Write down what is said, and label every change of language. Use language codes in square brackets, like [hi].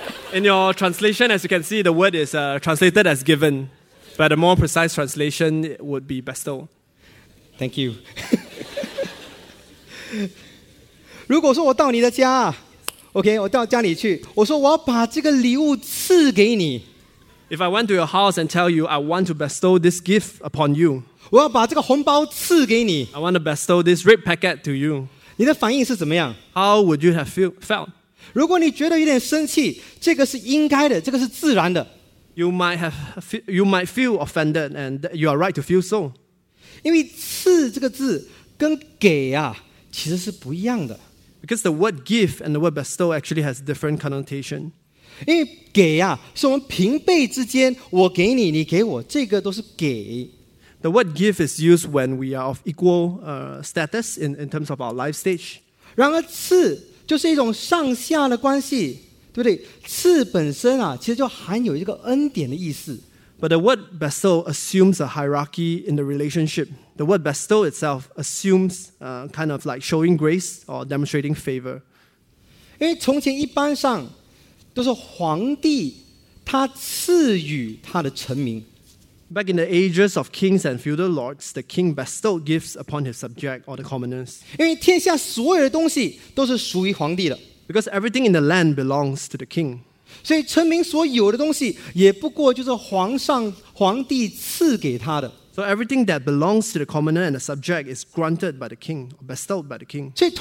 [en] In your translation, as you can see, the word is translated as given. But a more precise translation would be bestow. Thank you. [zh] 如果说我到你的家， OK, 我到家里去， 我说我要把这个礼物赐给你。 [en] If I went to your house and tell you, I want to bestow this gift upon you. [zh] 我要把这个红包赐给你。 [en] I want to bestow this red packet to you. [zh] 你的反应是怎么样？ [en] How would you have felt? [zh] 如果你觉得有点生气， 这个是应该的， 这个是自然的。 [en] You might feel offended, and you are right to feel so. [zh] 因为赐这个字 跟给啊， 其实是不一样的。 [en] Because the word give and the word bestow actually has different connotation. [zh] 因为给啊， 是我们平辈之间， 我给你， 你给我， 这个都是给。 [en] The word give is used when we are of equal status in terms of our life stage. [zh] 然而赐 就是一种上下的关系，对不对？赐本身啊， 其实就含有一个恩典的意思。 [en] But the word bestow assumes a hierarchy in the relationship. The word bestow itself assumes kind of like showing grace or demonstrating favor. [zh] 因为从前一般上 都是皇帝他赐予他的臣民。 [en] Back in the ages of kings and feudal lords, the king bestowed gifts upon his subject or the commoners. [zh] 因为天下所有的东西都是属于皇帝的。 [en] Because everything in the land belongs to the king. [zh] 所以臣民所有的东西也不过就是皇帝赐给他的。 [en] So everything that belongs to the commoner and the subject is granted by the king, or bestowed by the king.